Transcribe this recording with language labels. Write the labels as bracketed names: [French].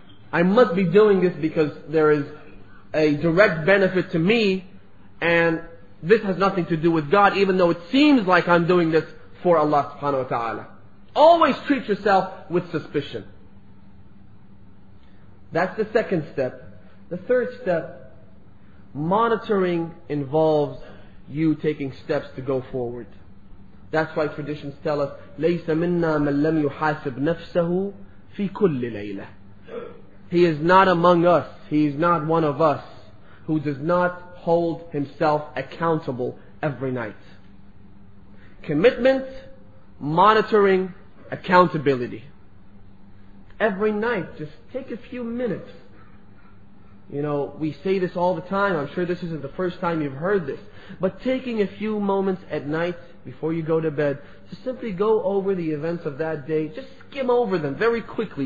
[English] I must be doing this because there is a direct benefit to me, and this has nothing to do with God, even though it seems like I'm doing this for Allah subhanahu wa ta'ala. Always treat yourself with suspicion. That's the second step. The third step, monitoring involves you taking steps to go forward. That's why traditions tell us, [Arabic] لَيْسَ مِنَّا مَنْ لَمْ يُحَاسِبْ نَفْسَهُ فِي كُلِّ لَيْلَةِ. [English] He is not among us, he is not one of us, who does not hold himself accountable every night. Commitment, monitoring, accountability. Every night, just take a few minutes. You know, we say this all the time, I'm sure this isn't the first time you've heard this, but taking a few moments at night before you go to bed to simply go over the events of that day, just skim over them very quickly.